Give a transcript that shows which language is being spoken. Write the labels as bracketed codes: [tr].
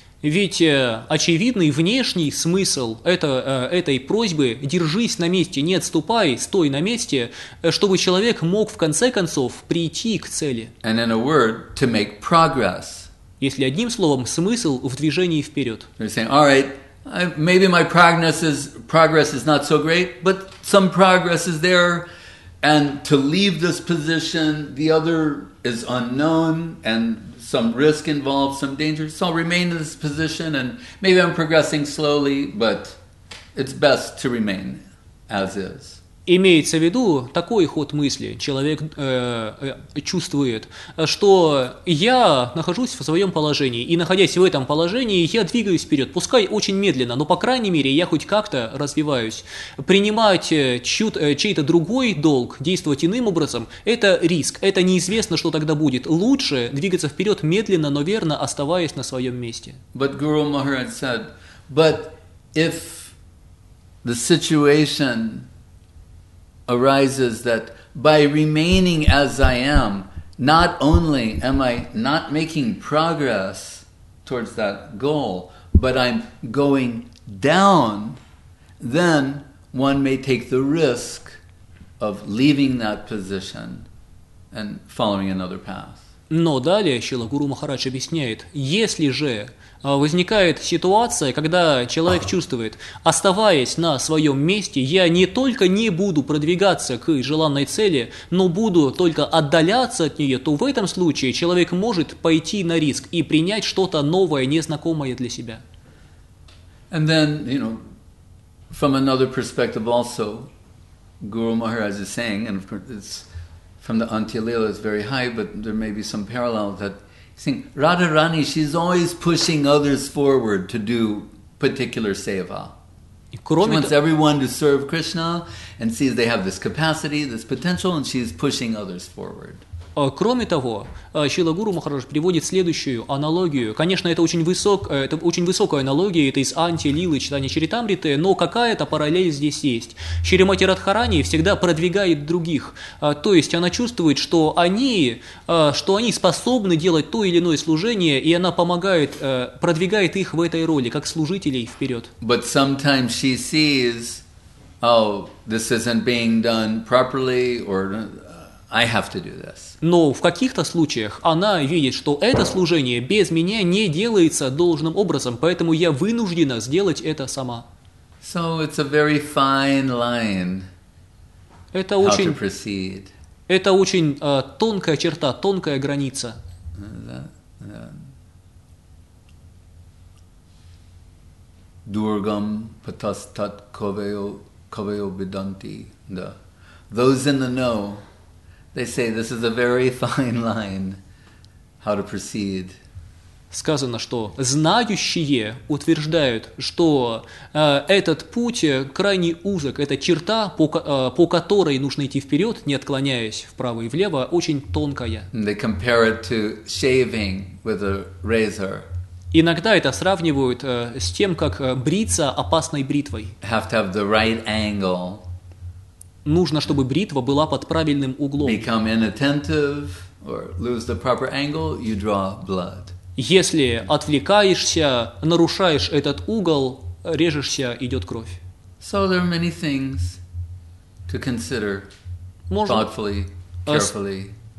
[ru] Ведь очевидный внешний смысл этой просьбы – держись на месте, не отступай, стой на месте, чтобы человек мог в конце концов прийти к цели. [en] And in a word, to make progress. [ru] Если одним словом, смысл в движении вперед. [en] You're saying, all right, maybe my progress is not so great, but some progress is there, and to leave this position, the other is unknown, and some risk involved, some danger. So I'll remain in this position, and maybe I'm progressing slowly, but it's best to remain as is. [ru] Имеется в виду такой ход мысли. Человек чувствует, что я нахожусь в своем положении, и находясь в этом положении, я двигаюсь вперед, пускай очень медленно, но, по крайней мере, я хоть как-то развиваюсь. Принимать чей-то другой долг, действовать иным образом – это риск, это неизвестно, что тогда будет. Лучше двигаться вперед медленно, но верно, оставаясь на своем месте. [en] But Guru Maharaj said, but if the situation arises that by remaining as I am, not only am I not making progress towards that goal, but I'm going down, then one may take the risk of leaving that position and following another path. [ru] Но далее Шрила Гуру Махарадж объясняет, если же возникает ситуация, когда человек чувствует, оставаясь на своем месте, я не только не буду продвигаться к желанной цели, но буду только отдаляться от нее, то в этом случае человек может пойти на риск и принять что-то новое, незнакомое для себя. [en] And then, you know, from another perspective also, Guru Maharaj is saying, and of course it's from the Antilila, it's very high, but there may be some parallel that saying, Radharani, she's always pushing others forward to do particular seva. She wants everyone to serve Krishna and sees they have this capacity, this potential, and she's pushing others forward. [ru] Кроме того, Шрила Гуру Махарадж приводит следующую аналогию. Конечно, это очень, это очень высокая аналогия, это из Анти, Лилы, Читания Чаритамриты, но какая-то параллель здесь есть. Шримати Радхарани всегда продвигает других, то есть она чувствует, что они способны делать то или иное служение, и она помогает, продвигает их в этой роли, как служителей вперед. [en] But sometimes she sees, oh, this isn't being done properly, or I have to do this. [ru] Но в каких-то случаях она видит, что это служение без меня не делается должным образом, поэтому я вынуждена сделать это сама. [en] So it's a very fine line. [ru] Это очень, [en] how to proceed. [ru] Это очень тонкая черта, тонкая граница. [sa] Дургам патастат кавео виданти. [en] Those in the know, they say this is a very fine line, how to proceed. [ru] Сказано, что знающие утверждают, что этот путь крайне узок, это черта, по которой нужно идти вперед, не отклоняясь вправо и влево, очень тонкая. [en] They compare it to shaving with a razor. [ru] Иногда это сравнивают с тем, как бриться опасной бритвой. [en] Have to have the right angle. [ru] Нужно, чтобы бритва была под правильным углом. [en] Become inattentive or lose the proper angle, you draw blood. [ru] Если отвлекаешься, нарушаешь этот угол, режешься, идет кровь. [en] So there are many things to consider thoughtfully, carefully.